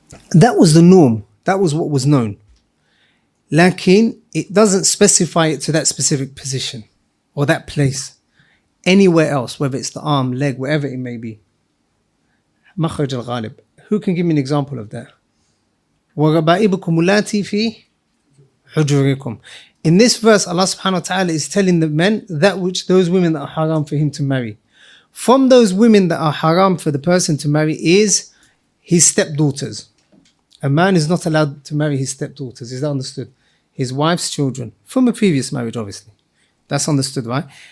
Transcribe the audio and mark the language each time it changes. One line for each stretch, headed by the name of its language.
English: That was the norm. That was what was known. لكن it doesn't specify it to that specific position or that place. Anywhere else, whether it's the arm, leg, wherever it may be. مخرج الغالب. Who can give me an example of that?
Arabic: وربائبكم ملاتي في حجوركم.
English: In this verse, Allah subhanahu wa ta'ala is telling the men that which those women that are haram for him to marry. From those women that are haram for the person to marry is his stepdaughters. A man is not allowed to marry his stepdaughters. Is that understood? His wife's children. From a previous marriage, obviously. That's understood, right?